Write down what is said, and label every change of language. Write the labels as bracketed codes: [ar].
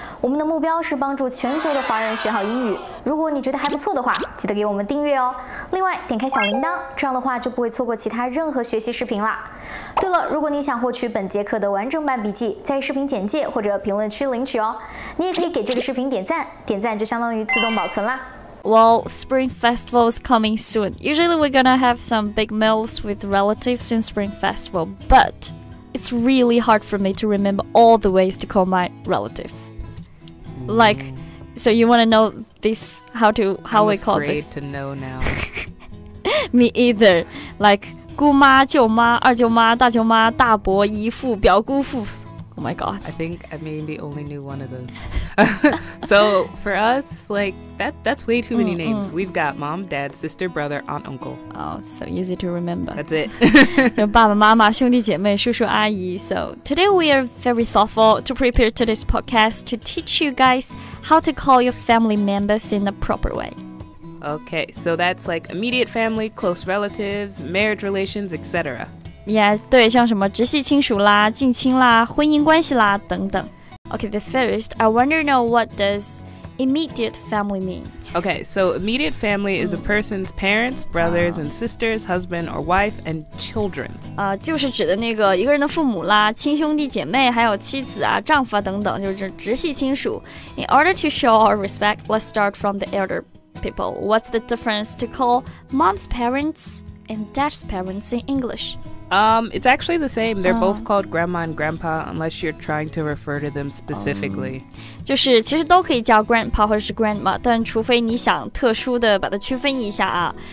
[zh] 我们的目标是帮助全球的华人学好英语。如果你觉得还不错的话，记得给我们订阅哦。另外，点开小铃铛，这样的话就不会错过其他任何学习视频啦。对了，如果你想获取本节课的完整版笔记，在视频简介或者评论区领取哦。你也可以给这个视频点赞，点赞就相当于自动保存啦。 [en] Well, Spring Festival is coming soon. Usually we're gonna have some big meals with relatives in Spring Festival, but it's really hard for me to remember all the ways to call my relatives. Like, so you wanna know this, how we call this? I'm afraid to know now. Me either. Like, [zh] 姑妈、舅妈、二舅妈、大舅妈、大伯、姨父、表姑父。 [en] Oh my god. I think I maybe only knew one of those. So for us, like, that's way too many names. We've got mom, dad, sister, brother, aunt, uncle. Oh, so easy to remember. That's it. [zh] 有爸爸妈妈、兄弟姐妹、叔叔阿姨。 [en] So today we are very thoughtful to prepare today's podcast to teach you guys how to call your family members in the proper way. Okay, so that's like immediate family, close relatives, marriage relations, etc. [zh] Yeah, 对，像什么直系亲属啦、近亲啦、婚姻关系啦等等。 [en] Okay, the first, I wonder know what does immediate family mean? Okay, so immediate family is a person's parents, brothers and sisters, husband or wife, and children. [zh] 就是指的那个一个人的父母啦、亲兄弟姐妹、还有妻子啊、丈夫啊等等，就是直系亲属。 [en] In order to show our respect, let's start from the elder people. What's the difference to call mom's parents and dad's parents in English? It's actually the same. They're both called grandma and grandpa, unless you're trying to refer to them specifically. [zh] 就是其实都可以叫 grandpa 或者是 grandma, 但除非你想特殊的把它区分一下啊。